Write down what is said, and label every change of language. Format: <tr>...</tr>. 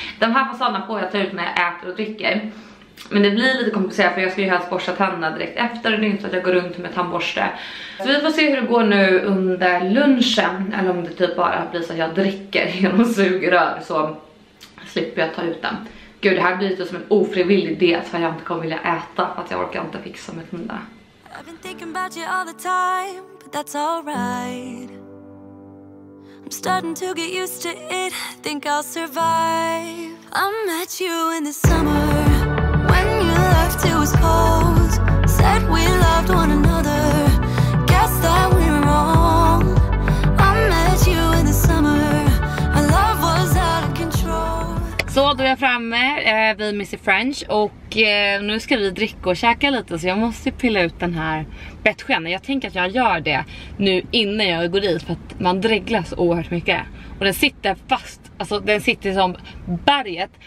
<sv>De här fasaderna får jag ta ut när jag äter och dricker, men det blir lite komplicerat, för jag ska ju helst borsta tänderna direkt efter, och det är inte så att jag går runt med tandborste. Så vi får se hur det går nu under lunchen, eller om det typ bara blir så att jag dricker genom sugrör, så slipper jag ta ut den. Gud, det här blir lite som en ofrivillig diet, för jag inte kommer vilja äta, för att jag orkar inte fixa med tänderna.</sv> <en>I've been thinking about you all the time, but that's all right. I'm starting to get used to it, think I'll survive. I met you in the summer. It was cold, said we loved one another, guess that we were wrong. I met you in the summer, our love was out of control.</en> <sv>Så då är jag framme vid Missy French, och nu ska vi dricka och käka lite, så jag måste pilla ut den här bettskenan. Jag tänker att jag gör det nu innan jag går dit, för att man dreglas oerhört mycket. Och den sitter fast, alltså den sitter som berget.</sv>